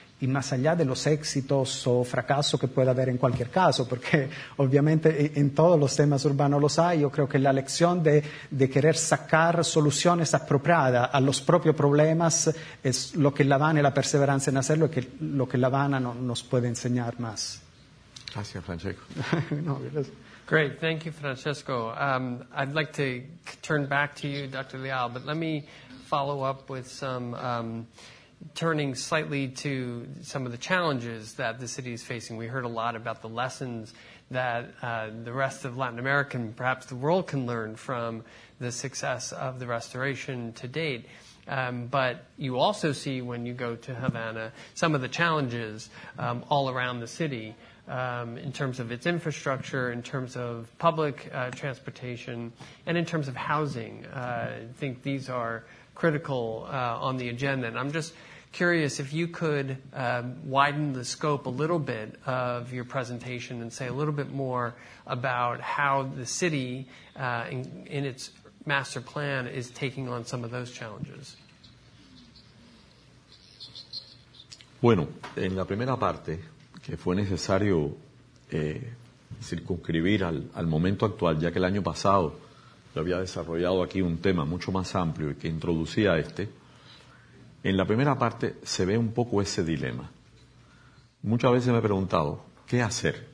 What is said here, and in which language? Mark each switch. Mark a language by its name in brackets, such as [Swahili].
[Spanish] Y más allá de los éxitos o fracasos que pueda haber en cualquier caso, porque obviamente en todos los temas urbanos los hay, yo creo que la lección de querer sacar soluciones apropiadas a los propios problemas es lo que La Habana y la perseverancia en hacerlo es lo que La Habana no, nos puede enseñar más. Gracias, Francesco. No, gracias. [English] Great, thank you, Francesco. I'd like to turn back to you, Dr. Leal, but let me follow up with some... turning slightly to some of the challenges that the city is facing. We heard a lot about the lessons that the rest of Latin America and perhaps the world can learn from the success of the restoration to date. But you also see when you go to Havana some of the challenges all around the city in terms of its infrastructure, in terms of public transportation, and in terms of housing. I think these are critical on the agenda. And I'm just curious if you could widen the scope a little bit of your presentation and say a little bit more about how the city in its master plan is taking on some of those challenges. [Spanish] Bueno, en la primera parte, que fue necesario circunscribir al momento actual, ya que el año pasado yo había desarrollado aquí un tema mucho más amplio y que introducía este. En la primera parte se ve un poco ese dilema. Muchas veces me he preguntado, ¿qué hacer?